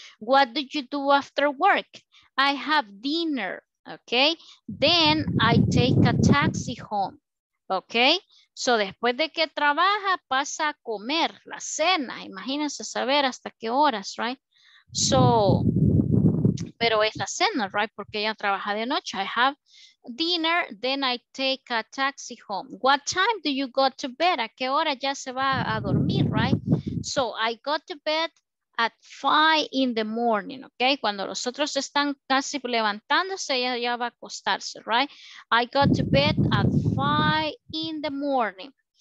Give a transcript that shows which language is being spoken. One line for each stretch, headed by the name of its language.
English: What do you do after work? I have dinner, okay? Then I take a taxi home, okay?
Spanish: So después de que trabaja, pasa a comer la cena, imagínense saber hasta qué horas, right? So... pero es la cena, right? Porque ella trabaja de noche.
English: I have dinner, then I take a taxi home. What time do you go to bed?
Spanish: ¿A qué hora ya se va a dormir,
English: right? So I go to bed at 5 in the morning, okay?
Spanish: Cuando los otros están casi levantándose, ella ya va a acostarse, right?
English: I go to bed at 5 in the morning.